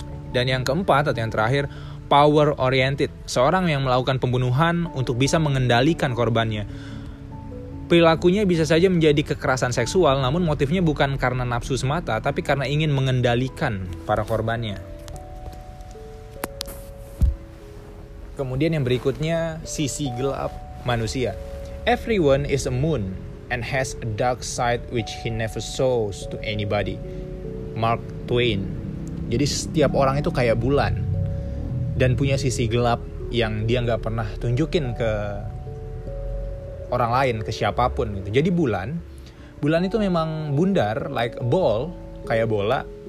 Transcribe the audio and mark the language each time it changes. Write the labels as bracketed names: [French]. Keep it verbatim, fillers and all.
[Indonesian] Dan yang keempat atau yang terakhir, power oriented, seorang yang melakukan pembunuhan untuk bisa mengendalikan korbannya. Perilakunya bisa saja menjadi kekerasan seksual, namun motifnya bukan karena nafsu semata, tapi karena ingin mengendalikan para korbannya. Kemudian yang berikutnya, sisi gelap manusia. [English] Everyone is a moon and has a dark side which he never shows to anybody. Mark Twain. [Indonesian] Jadi setiap orang itu kayak bulan dan punya sisi gelap yang dia nggak pernah tunjukin ke orang lain, ke siapapun gitu. Jadi bulan, bulan itu memang bundar, [English] like a ball, [Indonesian] kayak bola.